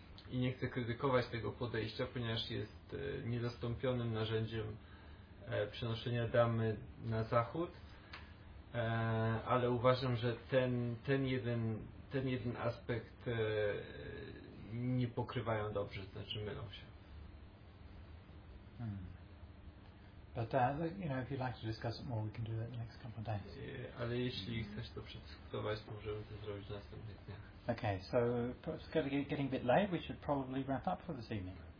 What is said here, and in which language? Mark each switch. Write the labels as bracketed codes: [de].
[pl] I nie chcę krytykować tego podejścia, ponieważ jest niezastąpionym narzędziem przenoszenia dhammy na zachód. Ale uważam, że ten jeden aspekt nie pokrywają dobrze, znaczy mylą się. [en] But you know, if you'd like to discuss it more, we can do that the next couple of days. [pl] Ale jeśli chcesz to przedyskutować, to możemy to zrobić w następnych dniach. [en] Okay, so it's getting a bit late. We should probably wrap up for this evening.